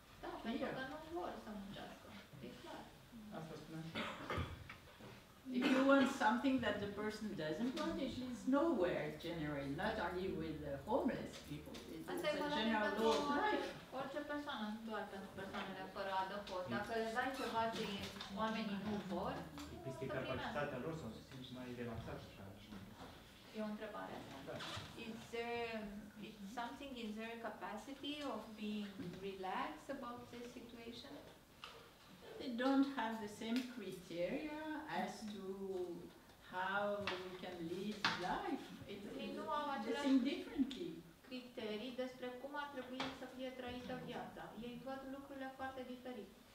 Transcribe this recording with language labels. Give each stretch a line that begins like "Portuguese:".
Romanian: Da, pentru că nu vor să muncească. E clar. Asta spune.
English: If you want something that the person doesn't want, it is nowhere generally, not only with the homeless people. It's a general law of life.
Romanian: Orice persoană, nu doar pentru persoanele fără adăpost. Dacă le dai ceva ce oamenii nu vor, este capacitatea lor să se simți mai relaxat. E o întrebare.
English: Is something in their capacity of being relaxed about this situation? They don't have the same criteria as to how we can live life. It's differently.
Romanian: Criterii despre cum ar trebui să fie trăită viața. Ei văd lucrurile foarte diferit.